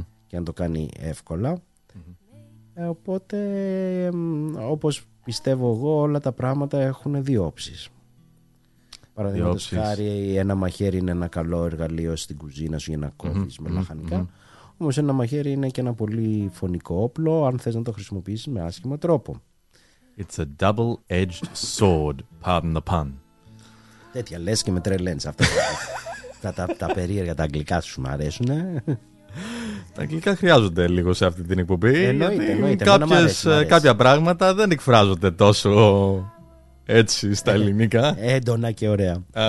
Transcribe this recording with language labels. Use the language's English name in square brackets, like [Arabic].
[Greek] Και να το κάνει εύκολα. Οπότε, όπως πιστεύω εγώ, όλα τα πράγματα έχουν δύο όψεις. Παραδείγματος χάρη, ένα μαχαίρι είναι ένα καλό εργαλείο στην κουζίνα σου για να κόβεις με λαχανικά. Όμως ένα μαχαίρι είναι και ένα πολύ φωνικό όπλο, αν θες να το χρησιμοποιήσεις με άσχημο τρόπο. [English] It's a double-edged sword, pardon the pun. [Greek] Τέτοια λες και με τρελαίνεις αυτά. τα περίεργα, τα αγγλικά σου μου αρέσουν. Τα αγγλικά χρειάζονται λίγο σε αυτή την εκπομπή. Εννοείται. Κάποια πράγματα δεν εκφράζονται τόσο έτσι στα ελληνικά. Έντονα και ωραία.